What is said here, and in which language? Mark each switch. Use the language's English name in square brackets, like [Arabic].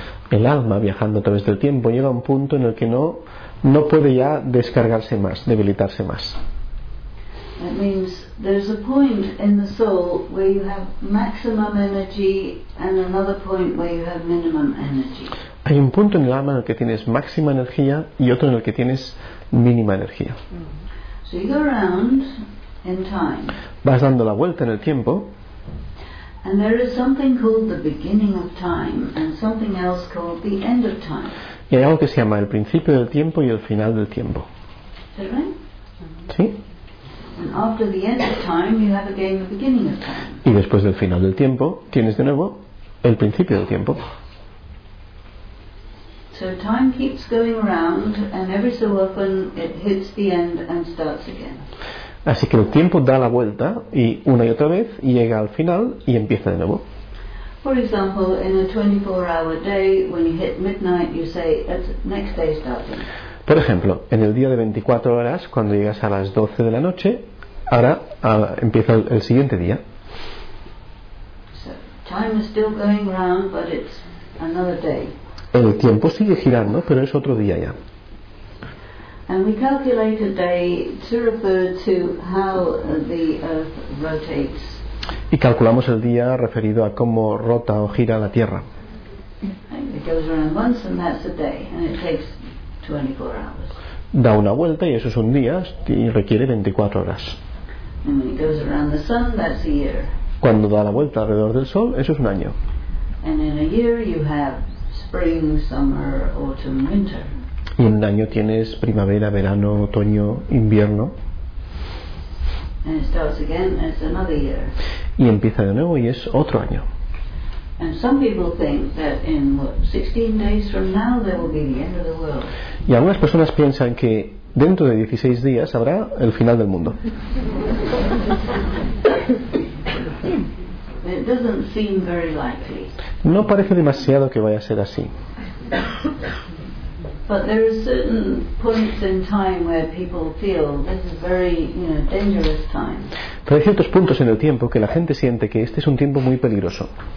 [Spanish] El alma viajando a través del tiempo llega a un punto en el que no puede ya descargarse más, debilitarse más. [English] That means there's a point in the soul where you have maximum energy and another point where you have minimum energy. [Spanish] Hay un punto en el alma en el que tienes máxima energía y otro en el que tienes mínima energía. [English] Mm-hmm. So you go around in time. [Spanish] Vas dando la vuelta en el tiempo. [English] And there is something called the beginning of time and something else called the end of time. [Spanish] Y hay algo que se llama el principio del tiempo y el final del tiempo. [English] Is that right? [Spanish] Sí. [English] And after the end of time, you have again the beginning of time. [Spanish] Y después del final del tiempo, tienes de nuevo el principio del tiempo. [English] So time keeps going around and every so often it hits the end and starts again. [Spanish] Así que el tiempo da la vuelta y una y otra vez llega al final y empieza de nuevo. [English] For example, in a 24-hour day, when you hit midnight, you say, "It's next day starting." [Spanish] Por ejemplo, en el día de 24 horas, cuando llegas a las 12 de la noche, ahora empieza el siguiente día. [English] So, time is still going round, but it's another day. [Spanish] El tiempo sigue girando, pero es otro día ya. [English] And we calculate a day to refer to how the Earth rotates. [Spanish] Y calculamos el día referido a cómo rota o gira la Tierra. [English] It goes around once and that's a day, and it takes 24 hours. [Spanish] Da una vuelta y eso es un día y requiere 24 horas. [English] And when it goes around the sun, that's a year. [Spanish] Cuando da la vuelta alrededor del Sol, eso es un año. [English] And in a year you have spring, summer, autumn, winter. [Spanish] Y en un año tienes primavera, verano, otoño, invierno. [English] And it starts again, it's another year. [Spanish] Y empieza de nuevo y es otro año. [English] And some people think that in what, 16 days from now there will be the end of the world. [Spanish] Y algunas personas piensan que dentro de 16 días habrá el final del mundo. [English] It doesn't seem very likely. [Spanish] No parece demasiado que vaya a ser así. [English] But there are certain points in time where people feel this is very, you know, dangerous time. [Spanish] Pero hay ciertos puntos en el tiempo que la gente siente que este es un tiempo muy peligroso.